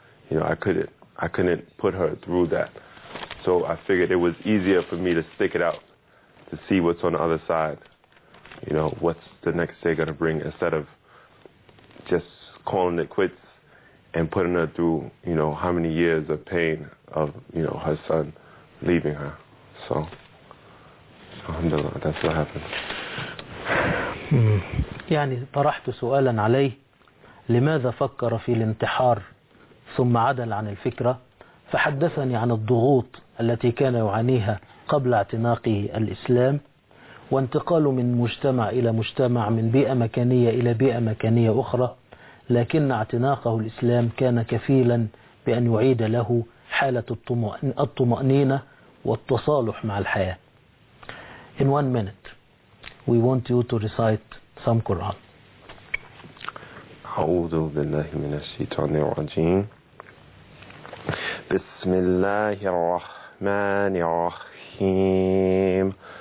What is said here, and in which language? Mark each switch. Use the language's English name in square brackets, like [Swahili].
[English] You know, I couldn't put her through that. So I figured it was easier for me to stick it out, to see what's on the other side, you know, what's the next day going to bring, instead of just calling it quits and putting her through, you know, how many years of pain of, you know, her son leaving her. So, alhamdulillah, that's what happened. [Arabic] يعني طرحت سؤالا عليه, لماذا فكر في الانتحار ثم عدل عن الفكرة, فحدثني عن الضغوط التي كان يعانيها قبل اعتناقه الإسلام وانتقاله من مجتمع إلى مجتمع, من بيئة مكانية إلى بيئة مكانية أخرى, لكن اعتناقه الإسلام كان كفيلا بأن يعيد له حالة الطمأنينة والتصالح مع الحياة. [English] In one minute, we want you to recite some Quran. [Arabic] أعوذ بالله من الشيطان الرجيم. بسم الله الرحمن الرحيم.